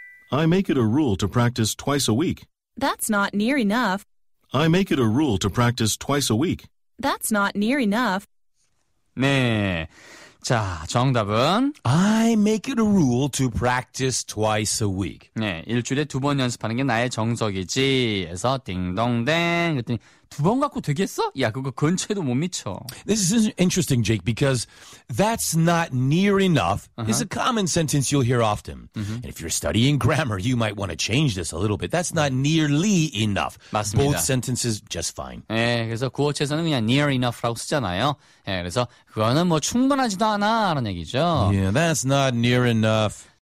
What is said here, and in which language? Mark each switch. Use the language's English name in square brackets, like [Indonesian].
[English] I make it a rule to practice twice a week. That's not near enough. I make it a rule to practice twice a week. That's not near enough. [Korean] 네. 자, 정답은? [English] I make it a rule to practice twice a week. [Korean] 네, 일주일에 두 번 연습하는 게 나의 정석이지. 해서 딩동댕. 그랬더니 두 번 갖고 되겠어? 야, 그거 근처에도 못 미쳐. [English] This is interesting, Jake, because that's not near enough is a common sentence you'll hear often. Uh-huh. And if you're studying grammar, you might want to change this a little bit. That's not nearly enough. [Korean] 맞습니다. [English] Both sentences just fine. [Korean] 네, 그래서 구어체에서는 그냥 near enough라고 쓰잖아요. 네, 그래서 그거는 뭐 충분하지도 않아 라는 얘기죠. [English] Yeah, that's not near enough.